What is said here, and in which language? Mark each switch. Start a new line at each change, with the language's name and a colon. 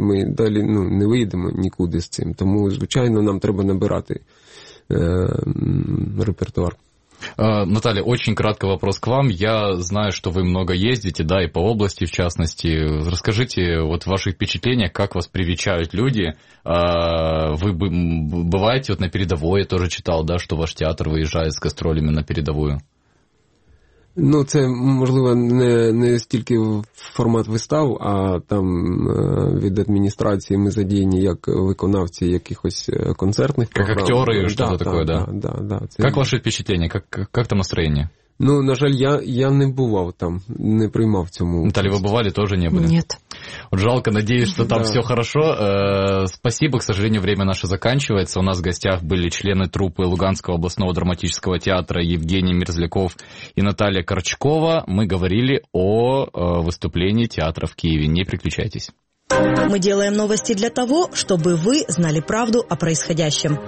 Ukrainian: Ми далі ну, не вийдемо нікуди з цим. Тому, звичайно, нам треба набирати репертуар.
Russian: Наталья, очень кратко вопрос к вам. Я знаю, что вы много ездите, да, и по области, в частности. Расскажите вот ваши впечатления, как вас привечают люди. Вы бываете вот на передовой, я тоже читал, да, что ваш театр выезжает с гастролями на передовую.
Ukrainian: Ну, це, можливо, не стільки формат вистав, а там від адміністрації ми задіяні як виконавці якихось концертних програм. Як актери, да, що-то
Russian: да,
Ukrainian: таке,
Russian: да,
Ukrainian: так?
Russian: Да, да,
Ukrainian: це... Як ваше впечатлення? Як там настроєння? Ну, на жаль, я не бував там, не приймав цьому. Наталья, ви бували, теж не були?
Russian: Нет.
Ukrainian: От жалко, надіюсь, що там все хорошо.
Russian: Спасибо, к сожалению, время наше заканчивается. У нас в гостях были члены труппы Луганского областного драматического театра Евгений Мерзляков и Наталья Корчкова. Мы говорили о выступлении театра в Киеве. Не переключайтесь. Мы делаем новости для того, чтобы вы знали правду о происходящем.